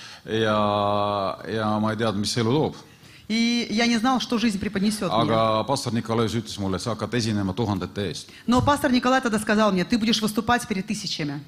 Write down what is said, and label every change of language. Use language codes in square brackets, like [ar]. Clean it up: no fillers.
[et] Ja ma ei tead, mis elu toob. [ru] И я не знал, что жизнь преподнесет мне. [et] Aga пастор Николай ütles mulle, sa hakkad esinema tuhandete eest. [ru] Но пастор Николай тогда сказал мне, ты будешь выступать перед тысячами.